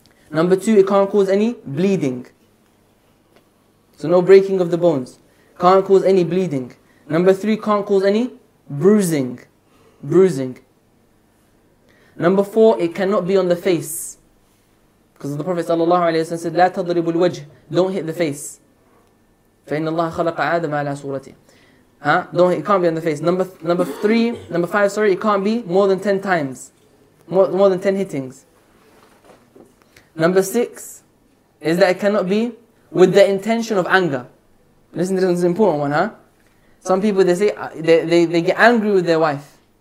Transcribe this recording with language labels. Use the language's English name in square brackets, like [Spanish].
[English] Number two, it can't cause any bleeding. So no breaking of the bones. Can't cause any bleeding. Number three, can't cause any bruising. Bruising. Number four, it cannot be on the face. Because the Prophet sallallahu alaihi wasallam said, [Arabic] لا تضرب الوجه. [English] Don't hit the face. [Arabic] فإن الله خلق آدم على صورتي. [English] Huh? Don't, it can't be on the face. Number five, it can't be more than 10 times. More than 10 hittings. Number six, is that it cannot be with the intention of anger. Listen, this is an important one, huh? Some people, they say, they get angry with their wife.